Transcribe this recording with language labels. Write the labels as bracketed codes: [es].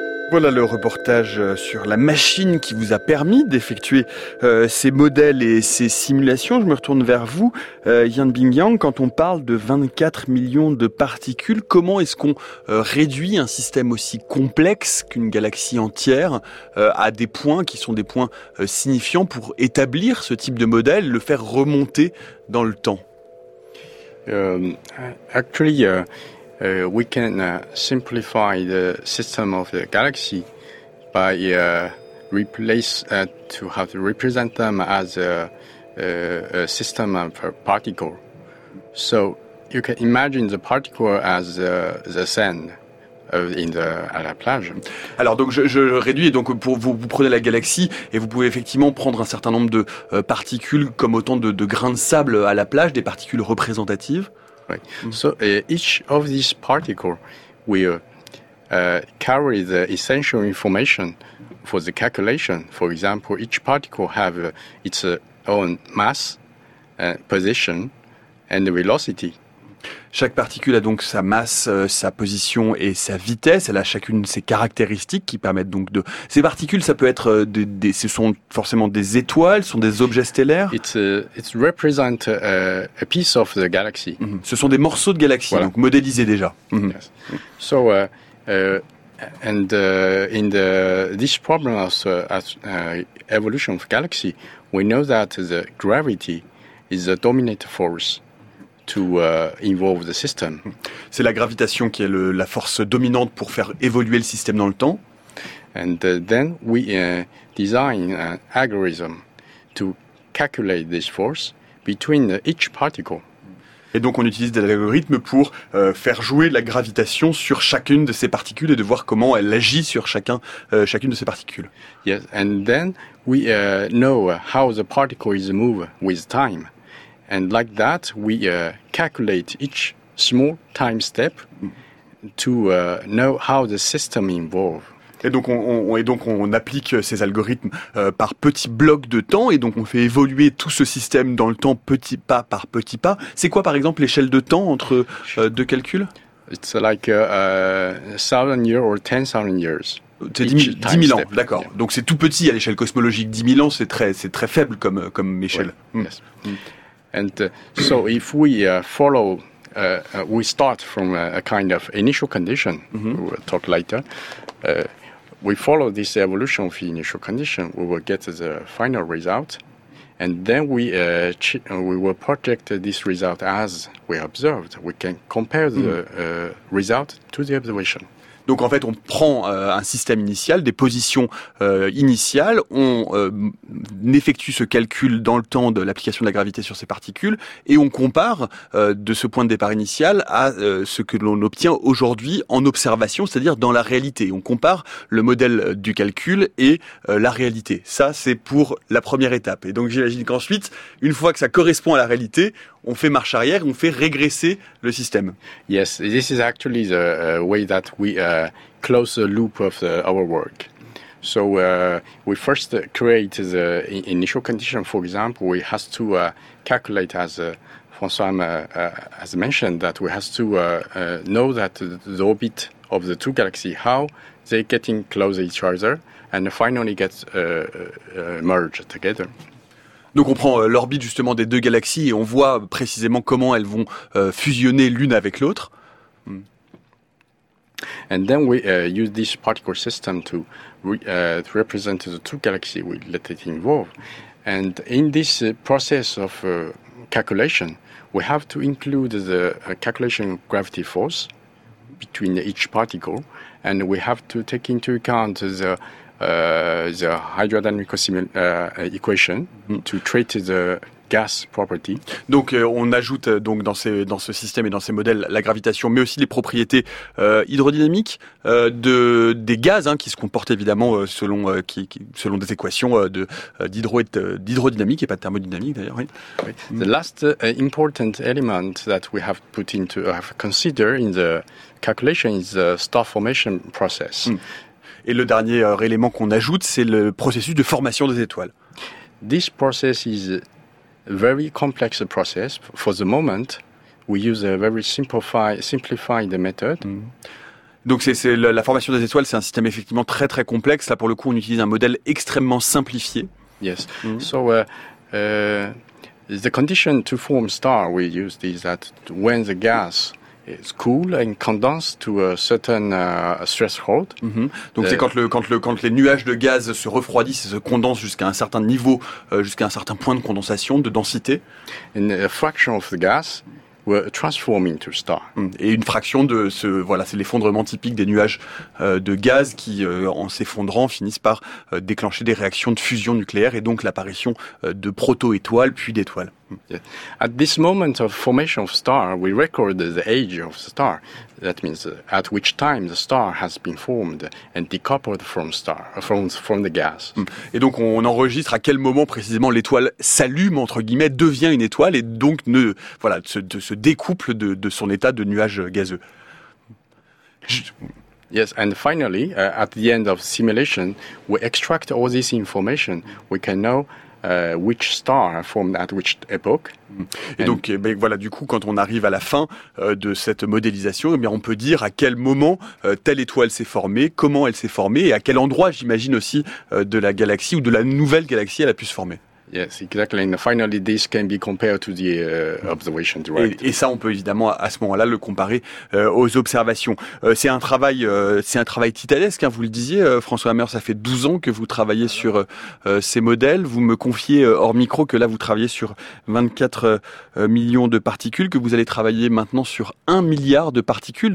[fr] Voilà le reportage sur la machine qui vous a permis d'effectuer ces modèles et ces simulations. Je me retourne vers vous, Yan Bingyang. Quand on parle de 24 millions de particules, comment est-ce qu'on réduit un système aussi complexe qu'une galaxie entière à des points qui sont des points signifiants pour établir ce type de modèle, le faire remonter dans le temps? [en] We can simplify the system of the galaxy by to represent them as a system of particles. So you can imagine the particle as the sand [fr] à la plage. Alors donc je réduis, donc pour vous prenez la galaxie et vous pouvez effectivement prendre un certain nombre de particules comme autant de grains de sable à la plage, des particules représentatives. [en] Right. Mm-hmm. So each of these particles will carry the essential information for the calculation. For example, each particle have its own mass, position, and velocity. [fr] Chaque particule a donc sa masse, sa position et sa vitesse. Elle a chacune ses caractéristiques qui permettent donc de... Ces particules, ça peut être des ce sont forcément des étoiles, ce sont des objets stellaires. [en] It represents a piece of the galaxy. Mm-hmm. [fr] Ce sont des morceaux de galaxie, voilà. Donc modélisés déjà. [en] Mm-hmm. Yes. So, in the this problem of evolution of galaxy, we know that the gravity is the dominant force. To involve the system. [fr] C'est la gravitation qui est la force dominante pour faire évoluer le système dans le temps. [en] And then we design an algorithm to calculate this force between each particle. [fr] Et donc on utilise des algorithmes pour faire jouer la gravitation sur chacune de ces particules et de voir comment elle agit sur chacune de ces particules. [en] Yes, and then we know how the particle is move with time. And like that, we calculate each small time step to know how the system evolves. [fr] Et donc on applique ces algorithmes par petits blocs de temps, et donc on fait évoluer tout ce système dans le temps petit pas par petit pas. C'est quoi, par exemple, l'échelle de temps entre deux calculs? [en] It's like 1,000 years or 10,000 years. [fr] C'est 10 000 ans, step. D'accord. Yeah. Donc c'est tout petit à l'échelle cosmologique. 10 000 ans, c'est très faible comme échelle. [en] Ouais. Yes. And so if we follow, we start from a kind of initial condition, mm-hmm. We'll talk later, we follow this evolution of the initial condition, we will get the final result, and then we will project this result as we observed. We can compare the result to the observation. [fr] Donc en fait, on prend un système initial, des positions initiales, on effectue ce calcul dans le temps de l'application de la gravité sur ces particules, et on compare de ce point de départ initial à ce que l'on obtient aujourd'hui en observation, c'est-à-dire dans la réalité. On compare le modèle du calcul et la réalité. Ça, c'est pour la première étape. Et donc j'imagine qu'ensuite, une fois que ça correspond à la réalité, on fait marche arrière, on fait régresser le système. [en] Yes, this is actually the way that we close the loop of our work. So we first create the initial condition. For example, we have to calculate, as François has mentioned, that we have to know that the orbit of the two galaxies, how they getting close each other, and finally get merged together. [fr] Donc on prend l'orbite justement des deux galaxies et on voit précisément comment elles vont fusionner l'une avec l'autre. [en] And then we use this particle system to represent the two galaxies. We let it evolve. And in this process of calculation, we have to include the calculation of gravity force between each particle, and we have to take into account the hydrodynamic equation to treat the gas property. [fr] Donc on ajoute donc dans ce système et dans ces modèles la gravitation, mais aussi les propriétés hydrodynamiques des gaz, hein, qui se comportent évidemment selon des équations d'hydrodynamique et pas de thermodynamique d'ailleurs. Oui. Oui. [en] The last important element that we have put into have considered in the calculation is the star formation process. Mm. [fr] Et le dernier élément qu'on ajoute, c'est le processus de formation des étoiles. [en] This process is very complex process. For the moment, we use a very simplified method. Mm. [fr] Donc c'est la formation des étoiles, c'est un système effectivement très très complexe. Là, pour le coup, on utilise un modèle extrêmement simplifié. [en] Yes. Mm. So the condition to form star we use is that when the gas is cool and condensed to a certain threshold. Mm-hmm. [fr] Donc c'est quand les nuages de gaz se refroidissent et se condensent jusqu'à un certain niveau, jusqu'à un certain point de condensation, de densité. [en] And a fraction of the gas were transforming to star. Mm. [fr] Et une fraction de ce, voilà, c'est l'effondrement typique des nuages de gaz qui, en s'effondrant, finissent par déclencher des réactions de fusion nucléaire et donc l'apparition de proto-étoiles puis d'étoiles. [en] Yeah. At this moment of formation of star, we record the age of the star. That means at which time the star has been formed and decoupled from star from the gas. [fr] Et donc on enregistre à quel moment précisément l'étoile s'allume entre guillemets, devient une étoile et donc ne voilà se découple de son état de nuage gazeux. [en] Yes, and finally, at the end of simulation, we extract all this information. We can know which star formed at which epoch. [fr] Et donc, ben voilà, du coup, quand on arrive à la fin de cette modélisation, eh bien, on peut dire à quel moment telle étoile s'est formée, comment elle s'est formée, et à quel endroit, j'imagine aussi, de la galaxie ou de la nouvelle galaxie elle a pu se former. [en] Yes, exactly. And finally, this can be compared to the observation derived. [fr] Et ça, on peut évidemment à ce moment-là le comparer aux observations. C'est un travail titanesque. Hein, vous le disiez, François Hammer, ça fait 12 ans que vous travaillez sur ces modèles. Vous me confiez hors micro que là, vous travaillez sur 24 millions de particules, que vous allez travailler maintenant sur 1 milliard de particules.